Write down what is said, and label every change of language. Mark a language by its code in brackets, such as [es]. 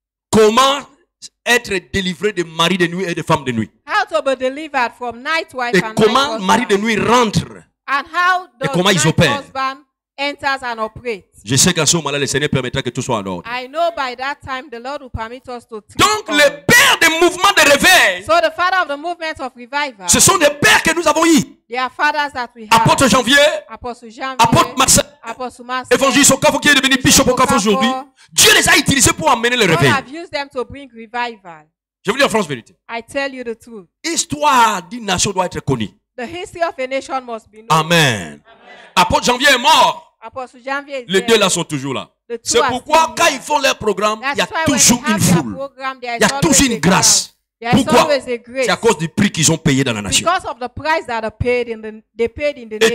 [fr] Comment être délivré de mari de nuit et de femme de nuit? [en] How to be delivered from night wife [fr] et [en] and [fr] comment [en] night [fr] mari de nuit rentre? [en] And how the [fr] et comment [en] night [fr] ils opèrent? [en] Husband enters and operates. [fr] Je sais qu'à ce moment-là, le Seigneur permettra que tout soit en ordre. [en] I know by that time the Lord will permit us to. [fr] Donc le père des mouvements de réveil. [en] So the father of the movement of revival. [fr] Ce sont des pères que nous avons eus. [en] They are fathers that we have. [fr] Apôtre Janvier. Apôtre Janvier. Apôtre Marcel. Évangéliste Okafor qui est devenu bishop Okafor aujourd'hui, Dieu les a utilisés pour amener le réveil. [en] God have used them to bring revival. [fr] Je vous dis la France vérité. [en] I tell you the truth. [fr] Histoire d'une nation doit être connue. [en] The history of a nation must be known. [fr] Amen. Apôtre Janvier est mort. Apôtre Janvier est les deux là sont toujours là. C'est pourquoi quand ils font leur programme, il y a toujours une foule. Il y a toujours une grâce. Pourquoi? C'est à cause du prix qu'ils ont payé dans la nation. [en] Because of the price that are paid in the they paid in the nation.